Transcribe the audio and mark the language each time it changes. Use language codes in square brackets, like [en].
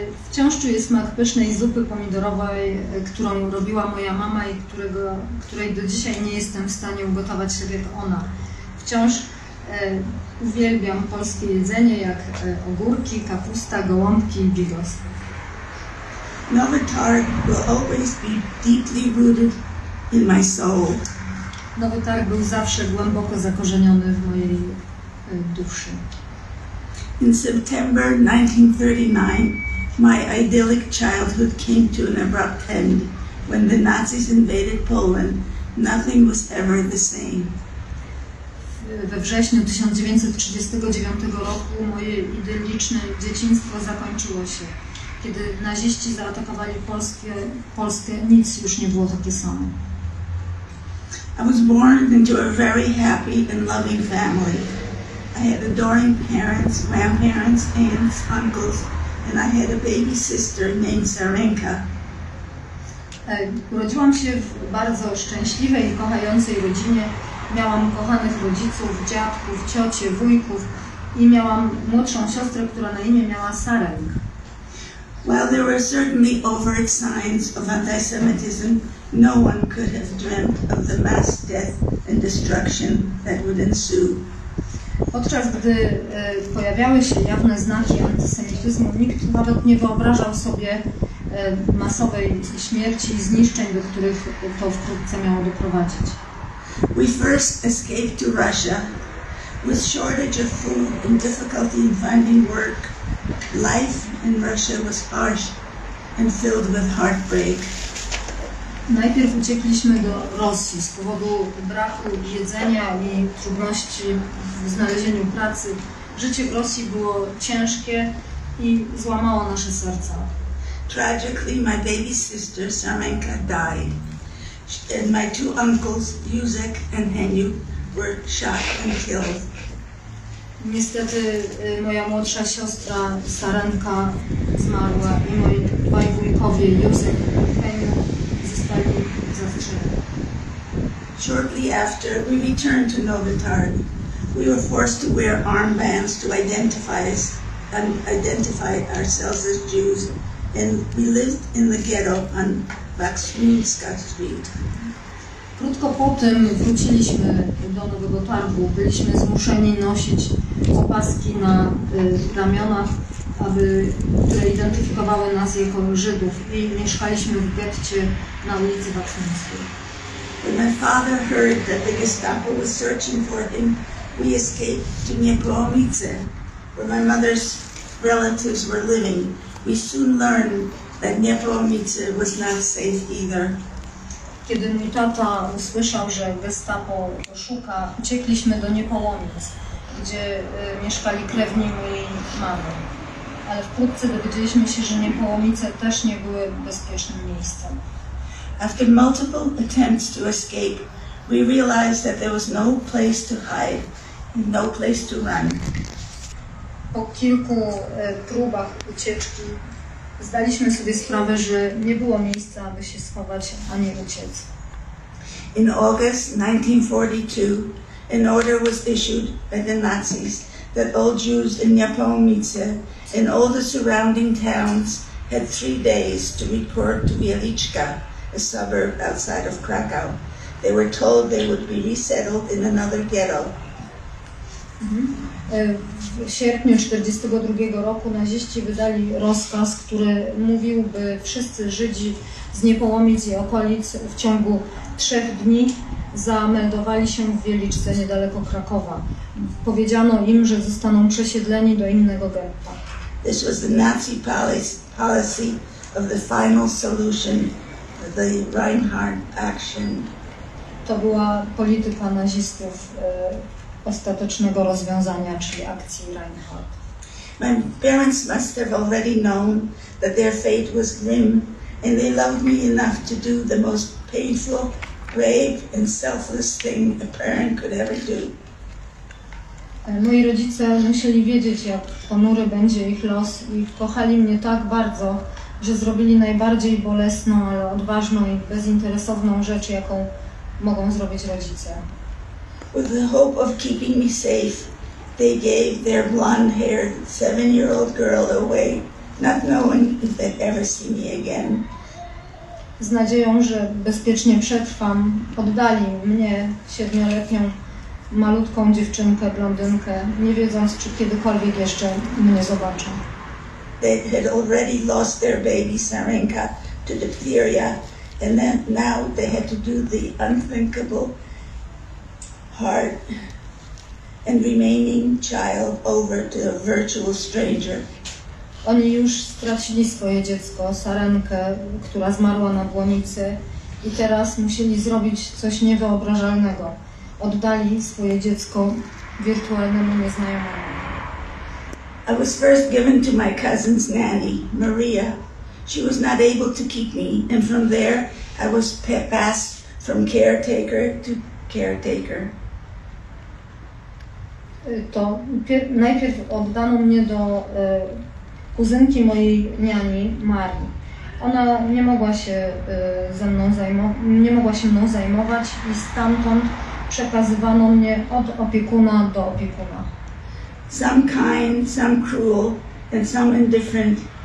[pl] Wciąż czuję smak pysznej zupy pomidorowej, którą robiła moja mama i której do dzisiaj nie jestem w stanie ugotować się jak ona. Wciąż uwielbiam polskie jedzenie jak ogórki, kapusta, gołąbki i bigos. [en] Nowy Targ will always be deeply rooted in my soul. [pl] Nowy Targ był zawsze głęboko zakorzeniony w mojej duszy. [en] In September 1939, My idyllic childhood came to an abrupt end when the Nazis invaded Poland. Nothing was ever the same. [pl] We wrześniu 1939 roku moje idylliczne dzieciństwo zakończyło się. Kiedy naziści zaatakowali Polskę, nic już nie było takie samo. [en] I was born into a very happy and loving family. I had adoring parents, grandparents, aunts, uncles, and I had a baby sister named Sarenka. [pl] Urodziłam się w bardzo szczęśliwej i kochającej rodzinie. Miałam kochanych rodziców, dziadków, ciocie, wujków i miałam młodszą siostrę, która na imię miała Sarenka. [en] While there were certainly overt signs of anti-Semitism, no one could have dreamt of the mass death and destruction that would ensue. [pl] Podczas gdy pojawiały się jawne znaki antysemityzmu, nikt nawet nie wyobrażał sobie masowej śmierci i zniszczeń, do których to wkrótce miało doprowadzić. [en] We first escaped to Russia with shortage of food and difficulty in finding work. Life in Russia was harsh and filled with heartbreak. [pl] Najpierw uciekliśmy do Rosji z powodu braku jedzenia i trudności w znalezieniu pracy. Życie w Rosji było ciężkie i złamało nasze serca. [en] Tragically, my baby sister Samenka died. And my two uncles, Juzek and Heniu, were shot and killed. [pl] Niestety moja młodsza siostra Sarenka zmarła i moi dwaj wujkowie Juzek i Heniu zostali zastrzeleni. [en] Shortly after, we returned to Novitarn. We were forced to wear armbands to identify ourselves as Jews, and we lived in the ghetto on Baksmińska Street. [pl] Krótko po tym wróciliśmy do Nowego Targu. Byliśmy zmuszeni nosić opaski na ramionach, które identyfikowały nas jako Żydów. I mieszkaliśmy w getcie na ulicy Baksmińskiej. [en] When my father heard that the Gestapo was searching for him, we escaped to Niepołomice, where my mother's relatives were living. We soon learned that Niepołomice was not safe either. [pl] Kiedy mój tata usłyszał, że Gestapo szuka, uciekliśmy do Niepołomic, gdzie mieszkali krewni mojej mamy. Ale wkrótce dowiedzieliśmy się, że Niepołomice też nie były bezpiecznym miejscem. [en] After multiple attempts to escape, we realized that there was no place to hide and no place to run. [pl] Po kilku próbach ucieczki zdaliśmy sobie sprawę, że nie było miejsca, aby się schować, a nie uciec. [en] In August 1942, an order was issued by the Nazis that all Jews in Niepołomice and all the surrounding towns had 3 days to report to Wieliczka, a suburb outside of Krakow. They were told they would be resettled in another ghetto. [pl] W sierpniu 1942 roku naziści wydali rozkaz, który mówił, by wszyscy Żydzi z Niepołomic i okolic w ciągu 3 dni zameldowali się w Wieliczce niedaleko Krakowa. Powiedziano im, że zostaną przesiedleni do innego getta. [en] This was the Nazi policy of the final solution, the Reinhardt action. [pl] To była polityka nazistów ostatecznego rozwiązania, czyli akcji Reinhardt. [en] My parents must have already known that their fate was grim, and they loved me enough to do the most painful, brave, and selfless thing a parent could ever do. [pl] Moi rodzice musieli wiedzieć, jak ponury będzie ich los, i kochali mnie tak bardzo, że zrobili najbardziej bolesną, ale odważną i bezinteresowną rzecz, jaką mogą zrobić rodzice. [en] With the hope of keeping me safe, they gave their blonde-haired 7-year-old girl away, not knowing if they'd ever see me again. [pl] Z nadzieją, że bezpiecznie przetrwam, oddali mnie, 7-letnią malutką dziewczynkę, blondynkę, nie wiedząc, czy kiedykolwiek jeszcze mnie zobaczą. [en] They had already lost their baby, Sarenka, to diphtheria, and then now they had to do the unthinkable hard and remaining child over to a virtual stranger. [pl] Oni już stracili swoje dziecko, Sarenkę, która zmarła na błonicy i teraz musieli zrobić coś niewyobrażalnego. Oddali swoje dziecko wirtualnemu nieznajomemu. [en] I was first given to my cousin's nanny, Maria. She was not able to keep me, and from there I was passed from caretaker to caretaker. [pl] To najpierw oddano mnie do kuzynki mojej niani, Marii. Ona nie mogła się ze mną zajmować i stamtąd przekazywano mnie od opiekuna do opiekuna. [en] Some kind, some cruel, and some indifferent.